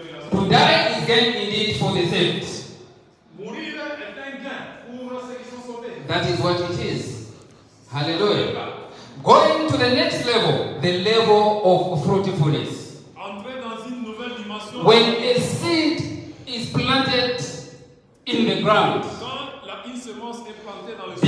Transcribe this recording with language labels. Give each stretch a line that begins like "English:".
English: To die is gain indeed for the saints.
French: Mourir est un gain pour ceux qui sont sauvés.
English: That is what it is. Hallelujah. Going to the next level, the level of fruitfulness.
French: Entrer dans une nouvelle dimension.
English: When a seed is planted in the ground,
French: quand la semence est plantée dans le sol,